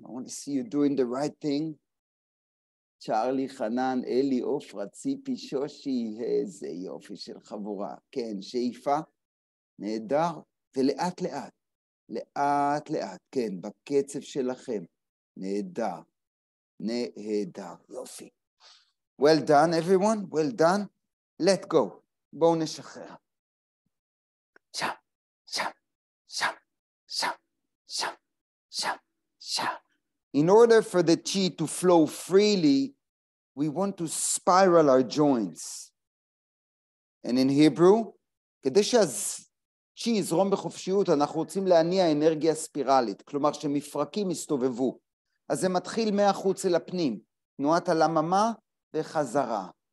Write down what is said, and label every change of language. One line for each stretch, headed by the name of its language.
English: I want to see you doing the right thing.
Hebrew: צ'רלי, חנן, אלי, אופרה, ציפי, שושי, איזה יופי של חבורה. כן, שאיפה, נהדר, ולאט לאט, לאט לאט, כן, בקצב שלכם, נהדר, נהדר, יופי.
English: Well done, everyone, well done. Let go,
Hebrew: בואו נשחרר. שם, שם, שם, שם, שם, שם, שם.
English: In order for the chi to flow freely, we want to spiral our joints. And in Hebrew,
Hebrew: כדי שהצ'י יזרום בחופשיות, אנחנו רוצים להניע אנרגיה ספירלית, כלומר שמפרקים יסתובבו. אז זה מתחיל מהחוץ אל הפנים, תנועת הלממה וחזרה.